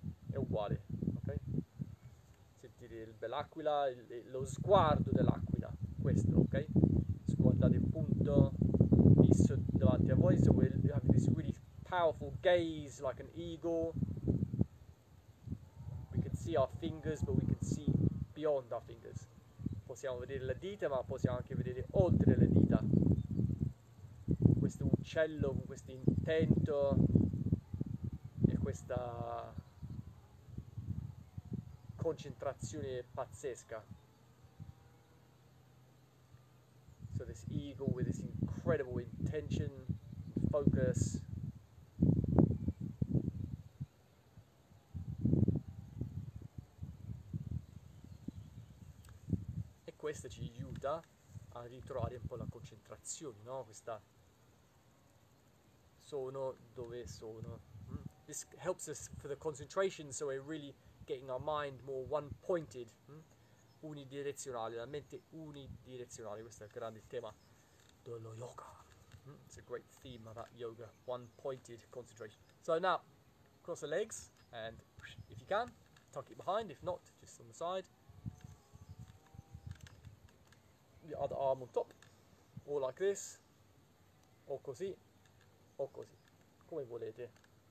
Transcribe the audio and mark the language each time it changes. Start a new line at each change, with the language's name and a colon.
Italian: È uguale, ok? Sentire l'aquila, lo sguardo dell'aquila, questo, ok? Guardate il punto fisso davanti a voi,
English: so we have this really powerful gaze like an eagle. We can see our fingers, but we can see beyond our fingers.
Italian: Possiamo vedere le dita, ma possiamo anche vedere oltre le dita. Questo uccello con questo intento e questa concentrazione pazzesca.
English: So this eagle with this incredible intention, focus.
Italian: E questo ci aiuta a ritrovare un po' la concentrazione, no? Questa sono dove sono.
English: This helps us for the concentration, so we're really getting our mind more one-pointed.
Italian: Unidirezionale, la mente unidirezionale, questo è il grande tema dello yoga.
English: It's a great theme about yoga, one-pointed concentration. So now, cross the legs, and if you can, tuck it behind, if not, just on the side. The other arm on top, or like this,
Italian: o così, come volete.